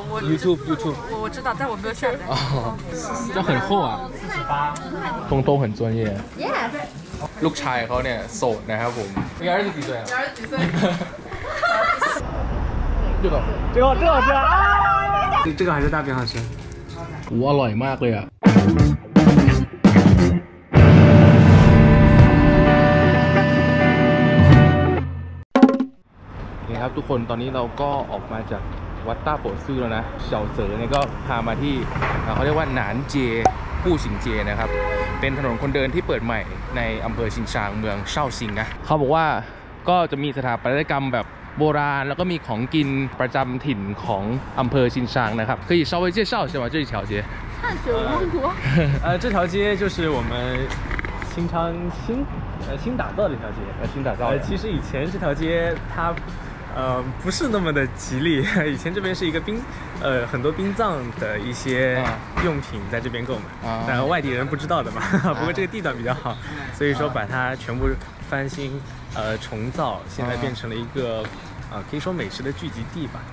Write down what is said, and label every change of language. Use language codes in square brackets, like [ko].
[zh] YouTube 我知道但我没有下载这很厚啊东东很专业 [en] yes [th] ลูกชายเขาเนี่ยโสดนะครับผม นี่อายุกี่ปีอ่ะอายุกี่ปี เจ้า [zh] 这个还是大饼好吃 [th] 我อร่อยมากเลยอ่ะ ครับทุกคนตอนนี้เราก็ออกมาจากวัดต้าโปซื่อแล้วนะเฉาเสอเนี่ยก็พามาที่เขาเรียกว่าหนานเจกู้ชิงเจนะครับเป็นถนนคนเดินที่เปิดใหม่ในอำเภอชิงชางเมืองเซาชิงนะเขาบอกว่าก็จะมีสถาปัตยกรรมแบบโบราณแล้วก็มีของกินประจำถิ่นของอำเภอชิงชางนะครับ [zh] 可以稍微介绍一下吗这一条街汗水汪国这条街就是我们新昌新打造的一条街新打造的其实以前这条街它不是那么的吉利以前这边是一个很多殡葬的一些用品在这边购买但外地人不知道的嘛不过这个地段比较好所以说把它全部翻新重造现在变成了一个可以说美食的聚集地吧